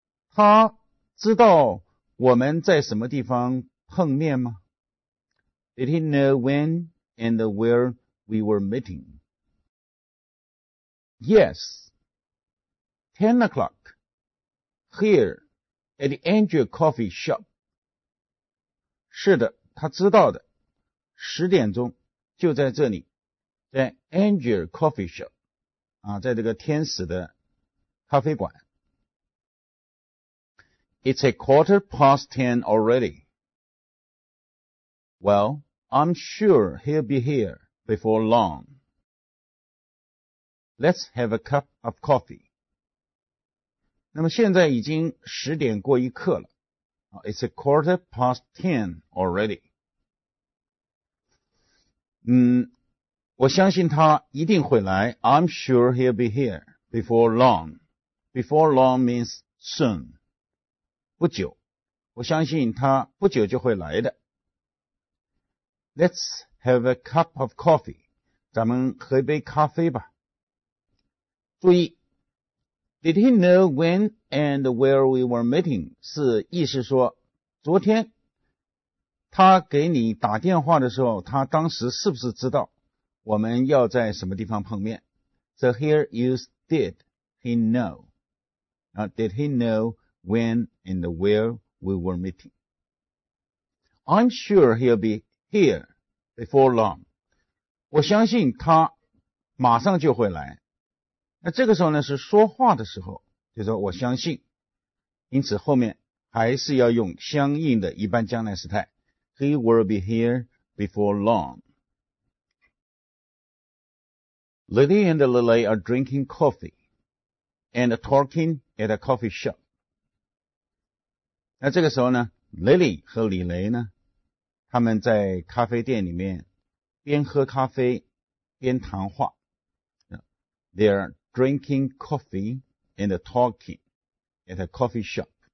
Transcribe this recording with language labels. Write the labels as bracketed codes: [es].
[zh] 他知道我们在什么地方碰面吗？ [en] Did he know when and where we were meeting? Yes, 10 o'clock. Here, at the Angel Coffee Shop. [zh] 是的，他知道的。十点钟就在这里，在 Angel Coffee Shop, 啊，在这个天使的咖啡馆。 [en] It's a quarter past ten already. Well, I'm sure he'll be here before long. Let's have a cup of coffee. [zh] 那么现在已经十点过一刻了。 [en] It's a quarter past ten already. [zh] 我相信他一定会来。 [en] I'm sure he'll be here before long. Before long means soon. [zh] 不久。我相信他不久就会来的。 [en] Let's have a cup of coffee. [zh] 咱们喝一杯咖啡吧。注意。 [en] Did he know when and where we were meeting? [zh] 是意思说昨天他给你打电话的时候他当时是不是知道我们要在什么地方碰面 [en] So here use did he know. Did he know when and where we were meeting? I'm sure he'll be here before long. [zh] 我相信他马上就会来。那这个时候呢是说话的时候就说我相信因此后面还是要用相应的一般将来时态 [en] He will be here before long Lily and Lily are drinking coffee and talking at a coffee shop [zh] 那这个时候呢 Lily 和李雷呢他们在咖啡店里面边喝咖啡边谈话 [en] They aredrinking coffee and talking at a coffee shop.